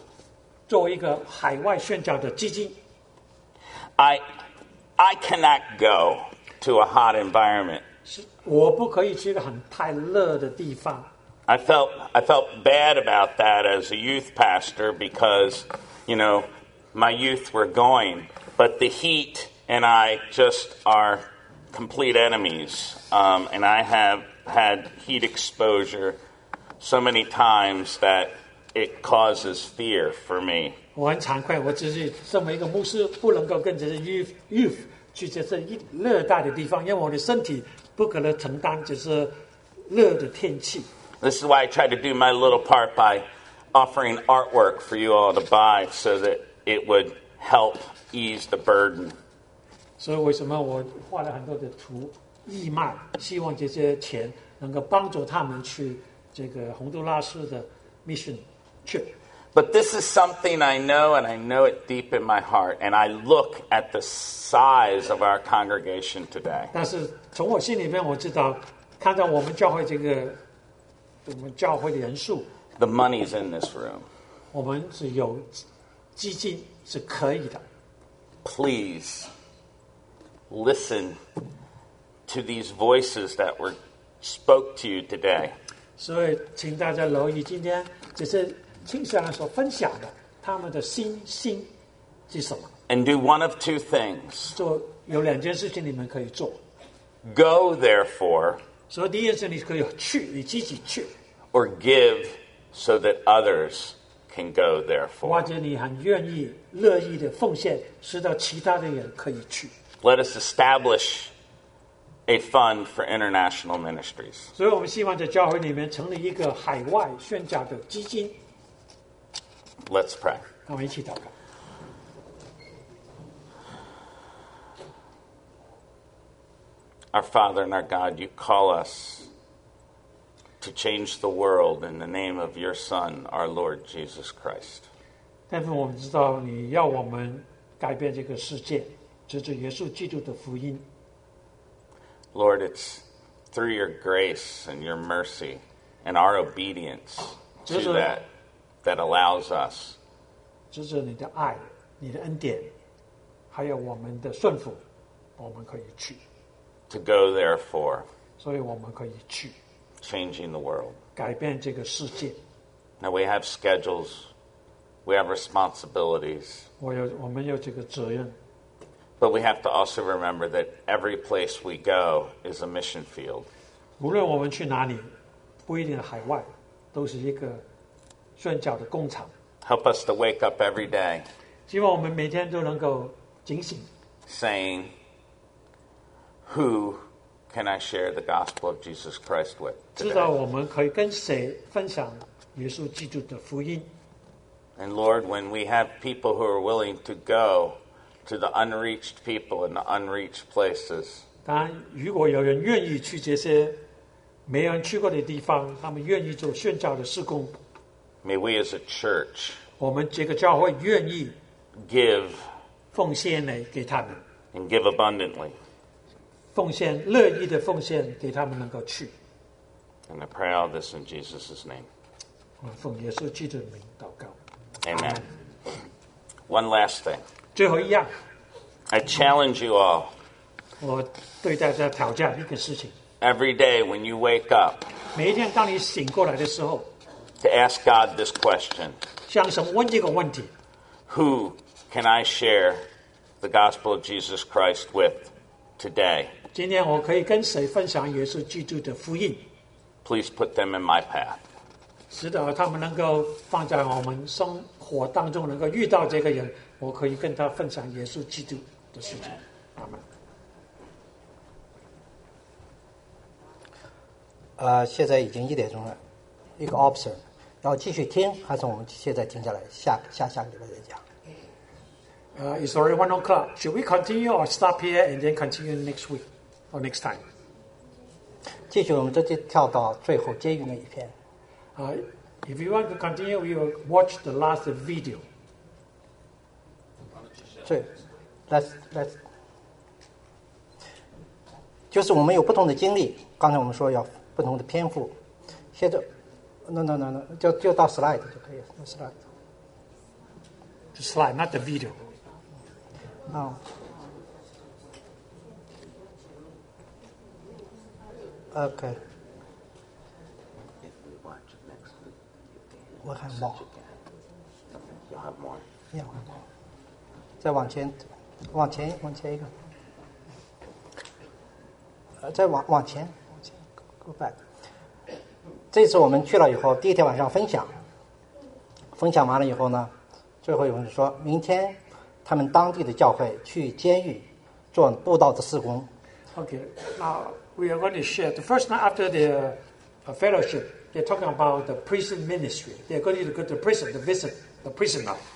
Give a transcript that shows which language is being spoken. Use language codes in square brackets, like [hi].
[zh] 所以我提议一下我们教会能够做一个海外宣教的基金。 [en] I cannot go to a hot environment. [zh] 我不可以去一个很太热的地方。 [en] I felt bad about that as a youth pastor because, you know, my youth were going, but the heat and I just are complete enemies, and I have had heat exposure so many times that it causes fear for me. [zh] 我很惭愧，我只是身为一个牧师，不能够跟这些youth去这些热带的地方，因为我的身体不可能承担，就是热的天气。 [en] This is why I tried to do my little part by offering artwork for you all to buy so that it would help ease the burden. [zh] 所以为什么我画了很多的图义卖，希望这些钱能够帮助他们去这个洪都拉斯的 [en] mission trip。 But this is something I know, and I know it deep in my heart, and I look at the size of our congregation today. [zh] 但是从我心里面我知道，看到我们教会这个，我们教会的人数。 [en] The money's in this room. [zh] 我们是有基金是可以的。 [en] Please listen to these voices that were spoke to you today. [zh] 所以请大家留意今天这些听下来所分享的他们的心是什么。 [en] And do one of two things. [zh] 做有两件事情你们可以做。 [en] Go therefore. [zh] 所以第一件事你可以去，你自己去。 [en] Or give so that others can go therefore. [zh] 或者你很愿意乐意的奉献，使得其他的人可以去。 [en] Let us establish a fund for international ministries. [zh] 所以我们希望在教会里面成立一个海外宣教的基金。 [en] Let's pray. [zh] 我们一起祷告。 [en] Our Father and our God, you call us to change the world in the name of your Son, our Lord Jesus Christ. [zh] 天父，我们知道你要我们改变这个世界，这是耶稣基督的福音。 [en] Lord, it's through your grace and your mercy and our obedience to that that allows us. [zh] 这是你的爱，你的恩典，还有我们的顺服，我们可以去。 [en] To go therefore. [zh] 所以我们可以去。 [en] Changing the world. [zh] 改变这个世界。 [en] Now we have schedules. We have responsibilities. [zh] 我们有这个责任。 [en] But we have to also remember that every place we go is a mission field. [zh] 无论我们去哪里，不一定是海外，都是一个宣教的工厂。 [en] Help us to wake up every day. [zh] 希望我们每天都能够警醒。 [en] Saying, who can I share the gospel of Jesus Christ with today? [zh] 知道我们可以跟谁分享耶稣基督的福音。 [en] And Lord, when we have people who are willing to go to the unreached people in the unreached places. [zh] 当如果有人愿意去这些没人去过的地方，他们愿意做宣教的事工。 [en] May we as a church, [zh] 我们这个教会愿意 [en] give [zh] 奉献来给他们 [en] and give abundantly. [zh] 奉献乐意的奉献给他们能够去。 [en] And I pray all this in Jesus' name. [zh] 我奉耶稣基督的名祷告。 [en] Amen. One last thing. [zh] 最后一样 [en] I challenge you all. [zh] 我对大家挑战一个事情 [en] Every day when you wake up, [zh] 每一天当你醒过来的时候 [en] to ask God this question, [zh] 向神问这个问题 [en] Who can I share the gospel of Jesus Christ with today? [zh] 今天我可以跟谁分享耶稣基督的福音 [en] Please put them in my path. [zh] 使得他们能够放在我们生活当中能够遇到这个人我可以跟他分享耶稣基督的事情。阿门。现在已经一点钟了，一个 option， 要继续听还是我们现在停下来，下个礼拜再讲。 [en] It's already 1 o'clock. Should we continue or stop here and then continue next week or next time? [zh] 继续，我们直接跳到最后结语那一篇。 [en] If you want to continue, we will watch the last video. [zh] 对 [en] let's [zh] 就是我们有不同的经历刚才我们说要不同的篇幅现在 no 就到 slide 就可以了 slide [en] the slide not the video、 oh. [zh] 我还忙 [en] you have more [zh] yeah再往前一个，再往前 ， [en] go back。 [zh] 这次我们去了以后，第一天晚上分享完了以后呢，最后有人说明天他们当地的教会去监狱做布道的事工。 [en] Okay, now we are going to share the first night after the fellowship, they're talking about the prison ministry. They're going to go to the prison to visit the prisoner.